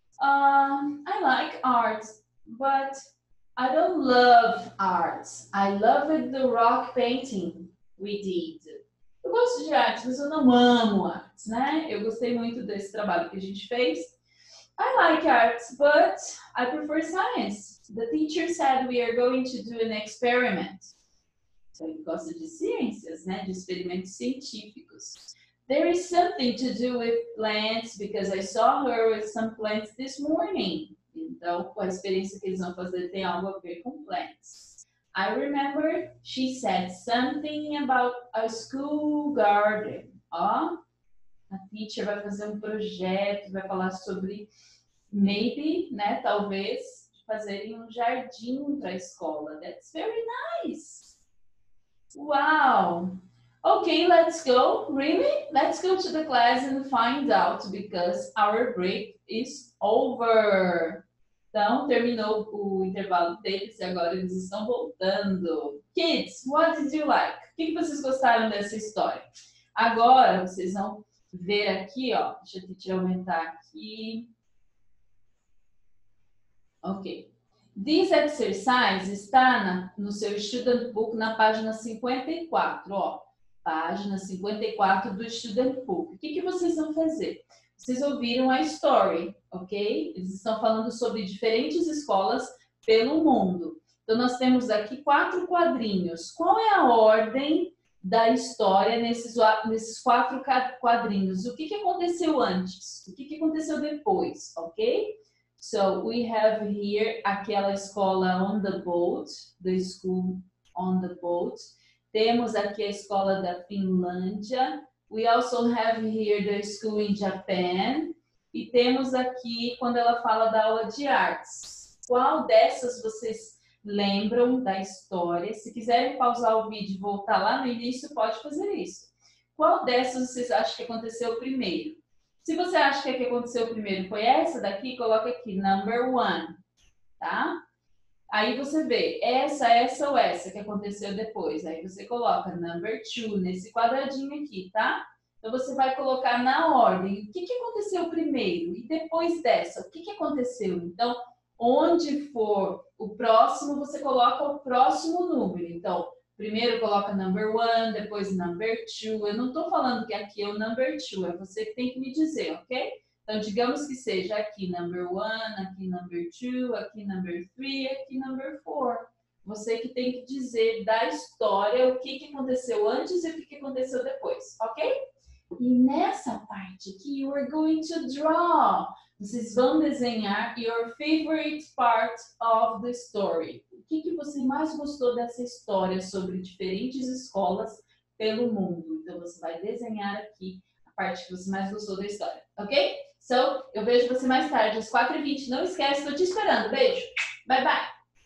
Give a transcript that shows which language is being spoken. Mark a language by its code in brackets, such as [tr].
[en] I like arts, but I don't love arts. I loved the rock painting we did. [pt] Eu gosto de artes, mas eu não amo artes, né? Eu gostei muito desse trabalho que a gente fez. [en] I like arts, but I prefer science. The teacher said we are going to do an experiment. [pt] Então, ele gosta de ciências, né? De experimentos científicos. [en] There is something to do with plants, because I saw her with some plants this morning. [pt] Então, com a experiência que eles vão fazer, tem algo a ver com plants. [en] I remember she said something about a school garden. [pt] Ó, a teacher vai fazer um projeto, vai falar sobre maybe, né, talvez, fazerem um jardim para a escola. [en] That's very nice. Wow. Okay, let's go. Really? Let's go to the class and find out because our break is over. [pt] Então, terminou o intervalo deles e agora eles estão voltando. [en] Kids, what did you like? [pt] O que vocês gostaram dessa história? Agora, vocês vão ver aqui, ó. Deixa eu te aumentar aqui. Ok. [en] This exercise [pt] está no seu student book na página 54, ó. Página 54 do student book. O que vocês vão fazer? Vocês ouviram a story, ok? Eles estão falando sobre diferentes escolas pelo mundo. Então, nós temos aqui quatro quadrinhos. Qual é a ordem da história nesses quatro quadrinhos? O que que aconteceu antes? O que que aconteceu depois, ok? [en] So, we have here [pt] aquela escola [en] on the boat, the school on the boat. [pt] Temos aqui a escola da Finlândia. [en] We also have here the school in Japan. [pt] E temos aqui quando ela fala da aula de artes. Qual dessas vocês lembram da história? Se quiserem pausar o vídeo e voltar lá no início, pode fazer isso. Qual dessas vocês acham que aconteceu primeiro? Se você acha que aconteceu primeiro foi essa daqui, coloca aqui, number one, tá? Aí você vê essa ou essa que aconteceu depois. Aí você coloca number two nesse quadradinho aqui, tá? Então você vai colocar na ordem o que que aconteceu primeiro e depois dessa, o que que aconteceu? Então, onde for o próximo, você coloca o próximo número. Então, primeiro coloca number one, depois number two. Eu não estou falando que aqui é o number two, é você que tem que me dizer, ok? Então, digamos que seja aqui number one, aqui number two, aqui number three, aqui number four. Você que tem que dizer da história o que que aconteceu antes e o que que aconteceu depois, ok? E nessa parte aqui, [en] you are going to draw. [pt] Vocês vão desenhar [en] your favorite part of the story. [pt] O que que você mais gostou dessa história sobre diferentes escolas pelo mundo? Então, você vai desenhar aqui a parte que você mais gostou da história, ok? Então, eu vejo você mais tarde, às 4h20. Não esquece, estou te esperando. Beijo. [en] Bye, bye.